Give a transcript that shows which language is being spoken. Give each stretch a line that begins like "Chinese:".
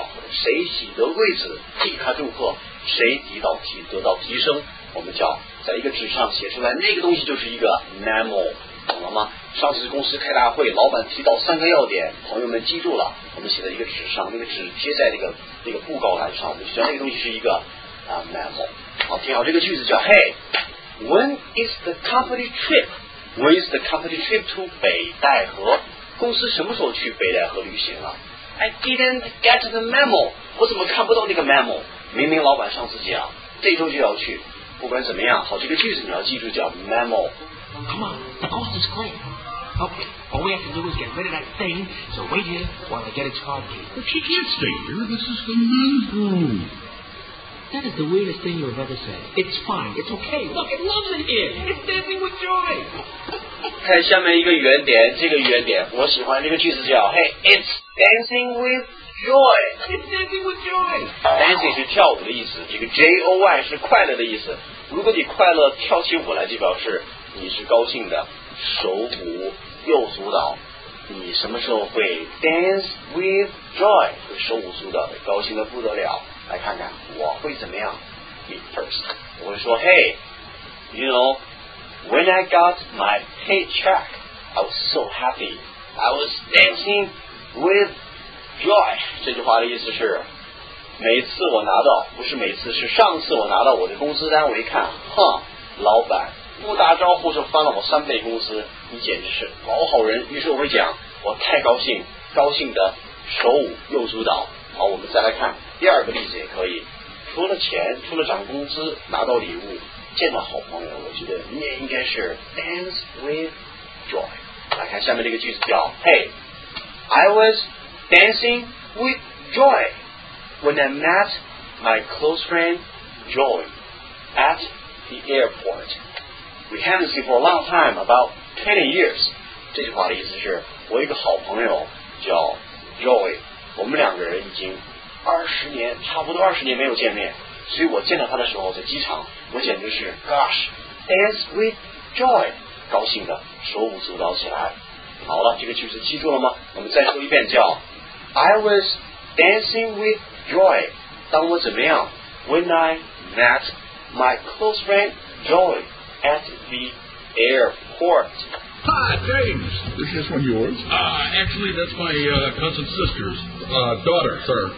Chinese: 谁喜得贵子替他祝贺，谁得到提升，我们叫在一个纸上写出来，那个东西就是一个 memo， 懂了吗？上次公司开大会，老板提到三个要点，朋友们记住了，我们写在一个纸上，那个纸贴在那个布告栏上，我们说那个东西是一个memo。好，听好这个句子，叫
English: Hey, when is the company trip? When is the company trip to 北戴河？
Chinese: 公司什么时候去北戴河旅行啊？
English: I didn't get the memo.
Chinese: 我怎么看不到那个 memo? 明明老板上次讲这周就要去。不管怎么样，好，这个句子你要记住，叫 memo。
English: Come on, the coast is clear. Okay, all we have to do is get rid of that thing. So wait here while I get its card key. But she can't stay here. This is the men's room. That is the weirdest thing you have ever said. It's fine. It's okay. Look, it loves it here. It's dancing with joy.
Chinese: 看下面一个原点，这个原点，我喜欢这个句子叫
English: Hey, it's dancing with joy. It's dancing with joy.
Chinese: Dancing 是跳舞的意思，这个 J-O-Y 是快乐的意思。如果你快乐跳起舞来，就表示你是高兴的，手舞右足蹈。你什么时候会
English: dance with joy?
Chinese: 会手舞足蹈的，高兴的不得了。来看看我会怎么样
English: ？Me first，
Chinese: 我会说
English: ，Hey， you know， when I got my paycheck， I was so happy， I was dancing with joy。
Chinese: 这句话的意思是，每次我拿到，不是每次，是上次我拿到我的工资单，我一看，哼，老板不打招呼就翻了我三倍工资，你简直是老好人。于是我会讲，我太高兴，高兴的手舞右足蹈。好，我们再来看第二个例子也可以。除了钱，除了涨工资，拿到礼物，见到好朋友，我觉得你也应该是
English: dance with joy。
Chinese: 来看下面这个句子叫
English: Hey, I was dancing with joy when I met my close friend Joy at the airport. We haven't seen for a long time, about 10 years.
Chinese: 这句话的意思是，我一个好朋友叫 Joy， 我们两个人已经差不多二十年没有见面，所以我见到他的时候在机场，我简直是
English: gosh as with joy，
Chinese: 高兴的手舞足蹈起来。好了，这个句子记住了吗？我们再说一遍，叫
English: I was dancing with joy，
Chinese: 当我怎么样
English: when I met my close friend Joy at the airport。 Hi, James. Is this one yours? Actually, that's my cousin's sister's daughter, sir.